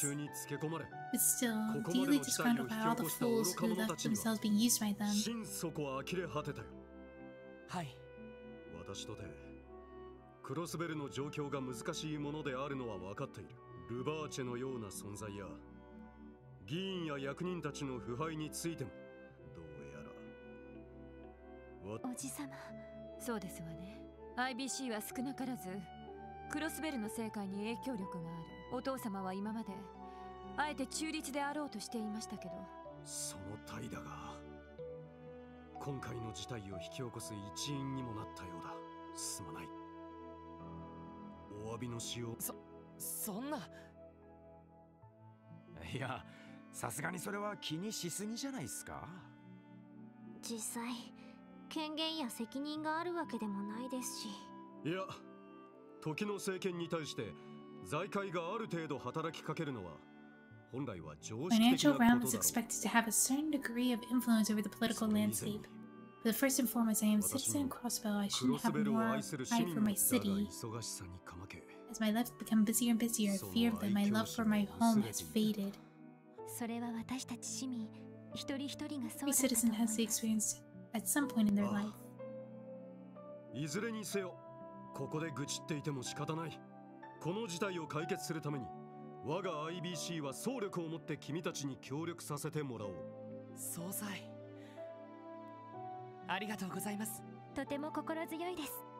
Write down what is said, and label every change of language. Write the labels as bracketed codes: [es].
[en] But still, deeply disgruntled by all the fools who left themselves being used by them. Yes. I know that the situation of Crossbell's is a [ja] おじさま、そうですわね。IBC は少なからず、クロスベルの政界に影響力がある。お父様は今まで、あえて中立であろうとしていましたけど。その態度が、今回の事態を引き起こす一因にもなったようだ。すまない。お詫びのしよう。そんな。いや、さすがにそれは気にしすぎじゃないですか。実際。権限や責任があるわけでもないですし。いや、時の政権に対して財界がある程度働きかけるのは本来は常識的なことだろう。 [en] Financial realm is expected to have a certain degree of influence over the political landscape. But first and foremost, I am a citizen of Crossbell. I shouldn't have more pride for my city. As my life become busier and busier, I fear that my love for my home has faded. [ja] それは私たち市民 [en] Every citizen has the experience at some point in their life. [ja] いずれにせよ、ここで愚痴っていても仕方ない。この事態を解決するために、我が IBC は総力を持って君たちに協力させてもらおう。総裁、ありがとうございます。とても心強いです。